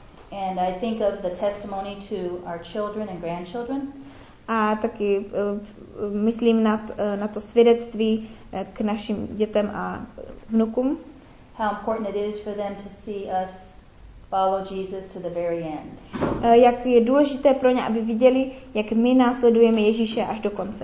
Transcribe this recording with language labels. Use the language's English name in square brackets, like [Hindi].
[English] And I think of the testimony to our children and grandchildren. [Czech] A taky myslím na to svědectví k našim dětem a vnukům. [English] How important it is for them to see us follow Jesus to the very end. [Czech] Jak je důležité pro ně, aby viděli, jak my následujeme Ježíše až do konce.